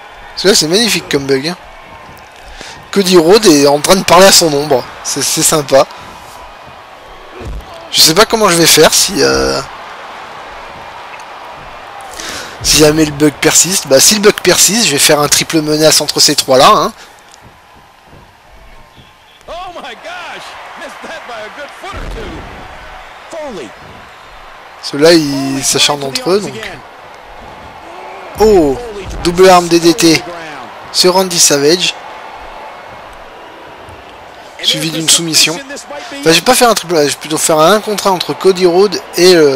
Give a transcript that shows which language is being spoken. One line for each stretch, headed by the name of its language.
French: Parce que là, c'est magnifique comme bug. Cody Rhodes est en train de parler à son ombre. C'est sympa. Je sais pas comment je vais faire si... Si jamais le bug persiste, bah si le bug persiste, je vais faire un triple menace entre ces trois-là. Hein.
English: Oh my gosh, missed that by a good foot or two. Foley.
French: Ceux-là, ils s'acharnent entre eux, donc... Oh, double arme DDT sur Randy Savage. Suivi d'une soumission. Enfin, je vais pas faire un triple menace, je vais plutôt faire un contre un entre Cody Rhodes et...